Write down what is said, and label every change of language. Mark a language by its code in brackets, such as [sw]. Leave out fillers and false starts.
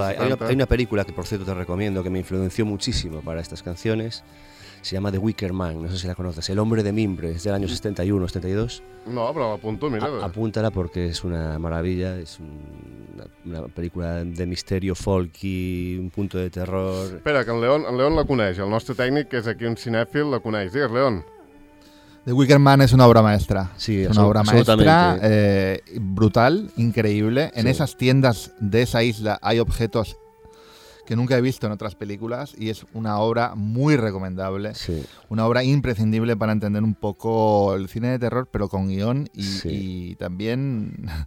[es] Hay una película que, por cierto, te recomiendo, que me influenció muchísimo para estas canciones. Se llama The Wicker Man, no sé si la conoces, El hombre de mimbre, es del año 71, 72. No, pero apunto, mira. Apúntala porque es una maravilla, es una película de misterio, folky, un punto de terror. [ca] Espera, que en León la coneix, el nostre tècnic, que és aquí un cinèfil, la coneix. Digues, León. [es] The Wicker Man es una obra maestra. Sí, es una obra maestra, brutal, increíble. Sí. En esas tiendas de esa isla hay objetos que nunca he visto en otras películas y es una obra muy recomendable, sí. Una obra imprescindible para entender un poco el cine de terror, pero con guión y también